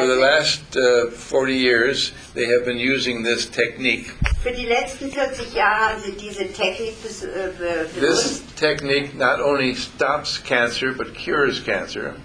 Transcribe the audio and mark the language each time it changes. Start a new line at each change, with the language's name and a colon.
English: For the last 40 years, they have been using this technique.
German: Für die letzten 40 Jahre haben sie diese Technik benutzt.
English: This technique not only stops cancer, but cures cancer.